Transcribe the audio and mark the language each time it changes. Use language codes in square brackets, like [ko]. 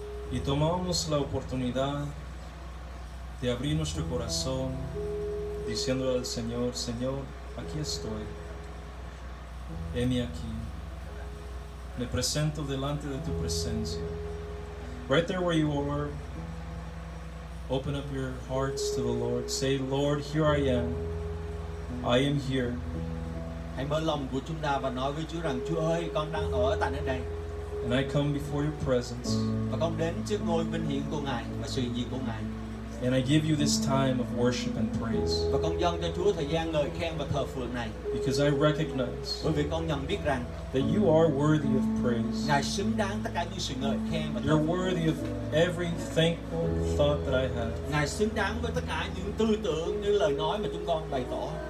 [es] Y tomamos la oportunidad de abrir nuestro corazón diciendo al Señor, Señor, aquí estoy, heme aquí, me presento delante de tu presencia. [en] Right there where you are, open up your hearts to the Lord. Say, Lord, here I am here. [vi] Hãy mở lòng của chúng ta và nói với Chúa rằng, Chúa ơi, con đang ở tại nơi đây. [en] And I come before your presence. [vi] Và con đến trước ngôi vinh hiển của Ngài và sự hiện diện của Ngài. [en] And I give you this time of worship and praise. [vi] Và con dâng cho Chúa thời gian ngợi khen và thờ phượng này. [en] Because I recognize. [vi] Bởi vì con nhận biết rằng [en] that you are worthy of praise. [vi] Ngài xứng đáng tất cả những sự ngợi khen và thờ. [en] You're worthy of every thankful thought that I have. [vi] Ngài xứng đáng với tất cả những tư tưởng, những lời nói mà chúng con bày tỏ.